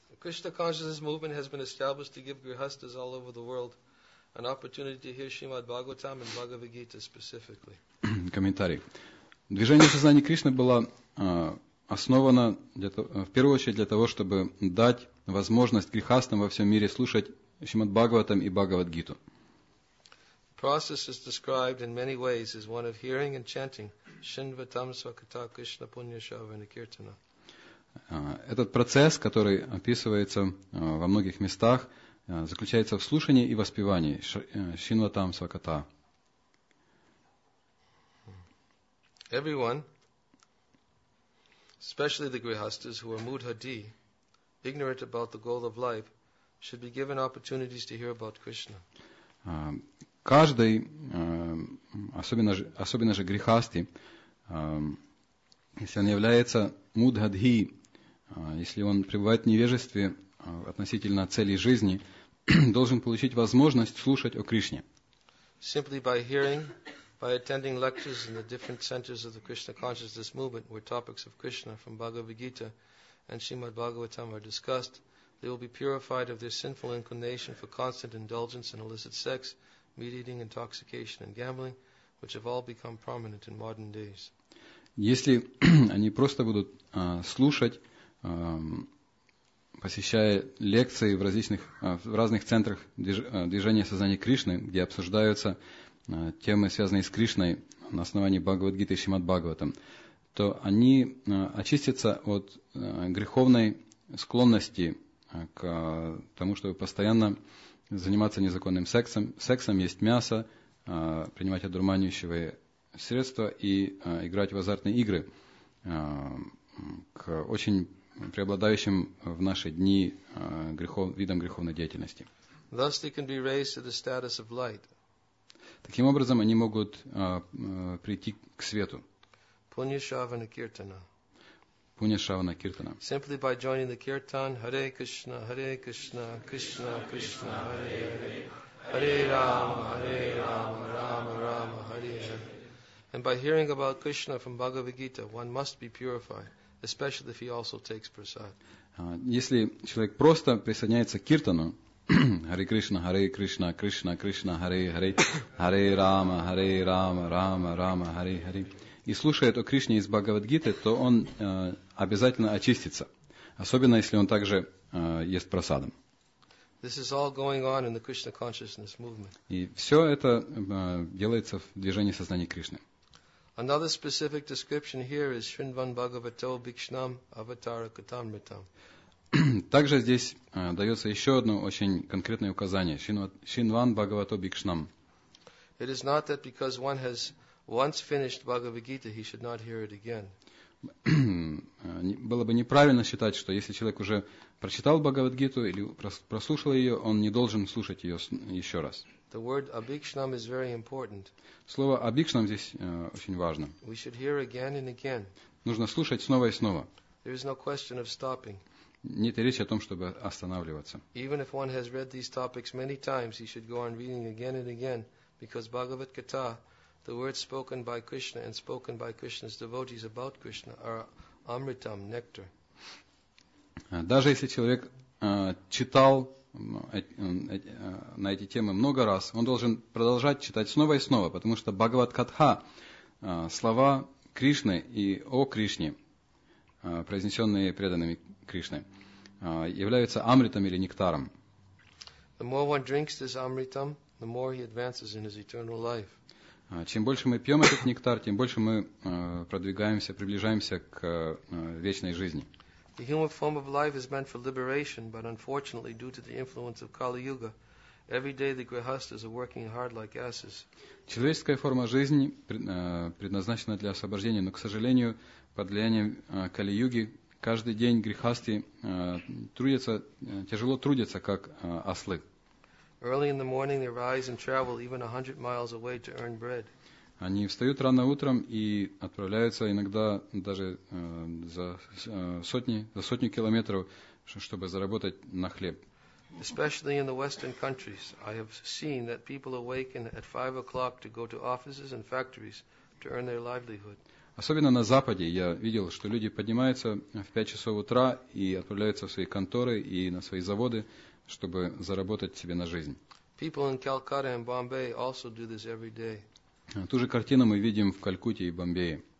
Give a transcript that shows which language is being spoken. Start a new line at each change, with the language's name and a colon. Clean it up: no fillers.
English: Krishna consciousness movement has been established to give grihasthas all over the world an opportunity to hear Srimad Bhagavatam and Bhagavad Gita specifically.
Russian: Комментарий. Движение сознания Кришны было основано для, в первую очередь для того, чтобы дать возможность грихастам во всем мире слушать Шримад Бхагаватам и Бхагавад Гиту.
English: Process is described in many ways as one of hearing and chanting
Sanskrit: Shinva Tamsa Kata Krishna Punya Shavana Kirtana.
Russian: Этот процесс, который описывается во многих местах, заключается в слушании и воспевании
Sanskrit: Шинватам Свакота.
English: Everyone, especially the grihasthas who are mudhadi, ignorant about the goal of life, should be given opportunities to hear about Krishna.
Russian: Каждый, особенно же грихасти, если он является мудхадхи, если он пребывает в невежестве относительно целей жизни, должен получить возможность слушать о Кришне.
English: Simply by hearing, by attending lectures in the different centers of the Krishna consciousness movement, where topics of Krishna from Bhagavad Gita and Srimad Bhagavatam are discussed, they will be purified of their sinful inclination for constant indulgence in illicit sex, meat eating, intoxication and gambling, which have all become prominent in modern days.
Russian: Если они просто будут слушать, посещая лекции в разных центрах движения сознания Кришны, где обсуждаются темы, связанные с Кришной на основании Бхагавад-гиты и Шримад-Бхагаватам, то они очистятся от греховной склонности к тому, чтобы постоянно заниматься незаконным сексом, есть мясо, принимать одурманивающие средства и играть в азартные игры, к очень преобладающим в наши дни видом греховной деятельности.
English: Thus they can be raised to the status of light.
Russian: Таким образом, они могут прийти к свету.
Sanskrit: Пуньяшравана киртана. Пуньяшравана киртана.
English: Simply by joining the kirtan, Hare Krishna, Hare Krishna, Krishna Krishna, Hare Hare, Hare Rama, Rama Rama, Hare Hare. And by hearing about Krishna from Bhagavad Gita, one must be purified. Especially if he also takes prasad.
Russian: Если человек просто присоединяется к киртану, Харе Кришна, Харе Кришна, Кришна Кришна, Харе Харе, Харе Рама, Рама Рама, Харе Харе, и слушает о Кришне из Бхагавад-гиты, то он обязательно очистится. Особенно, если он также ест прасадом.
English: This is all going on in the Krishna consciousness movement.
Russian: И все это делается в движении сознания Кришны.
English: Another specific description here is
Sanskrit: Shrinvan Bhagavato Bhikshnam Avatara Katamritam.
Russian: Также здесь дается еще одно очень конкретное указание.
Sanskrit: Shrinvan Bhagavato Bhikshnam.
English: It is not that because one has once finished Bhagavad Gita, he should not hear it again.
Russian: Было бы неправильно считать, что если человек уже прочитал Бхагавад Гиту или прослушал ее, он не должен слушать ее еще раз.
English: The word abhikshnam is very important.
Russian: Слово абхикшнам здесь очень важно.
English: We should hear again and again.
Russian: Нужно слушать снова и снова.
English: There is no question of stopping.
Russian: Нет речи о том, чтобы останавливаться.
English: Even if one has read these topics many times, he should go on reading again and again, because Bhagavad Gita, the words spoken by Krishna and spoken by Krishna's devotees about Krishna are amritam, nectar.
Russian: Даже если человек читал на эти темы много раз, он должен продолжать читать снова и снова, потому что Бхагавад Катха, слова Кришны и о Кришне, произнесенные преданными Кришны, являются амритом или нектаром.
English: The more one drinks this amritam, the more he advances in his eternal life.
Russian: Чем больше мы пьем этот нектар, тем больше мы продвигаемся, приближаемся к вечной жизни.
English: The human form of life is meant for liberation, but unfortunately, due to the influence of Kali Yuga, every day the grihasthas are working hard like asses.
Russian: Человеческая форма жизни предназначена для освобождения, но, к сожалению, под влиянием Кали Юги каждый день грихасты тяжело трудятся, как ослы.
English: Early in the morning, they rise and travel even 100 miles away to earn bread.
Russian: Они встают рано утром и отправляются иногда даже за сотни километров, чтобы заработать на хлеб.
English: Especially in the Western countries, I have seen that people awaken at 5 o'clock to go to offices and factories to earn their livelihood.
Russian: Особенно на Западе я видел, что люди поднимаются в 5 часов утра и отправляются в свои конторы и на свои заводы, чтобы заработать себе на жизнь.
English: People in Calcutta and Bombay also do this every day.
Russian: Ту же картину мы видим в Калькутте и Бомбее.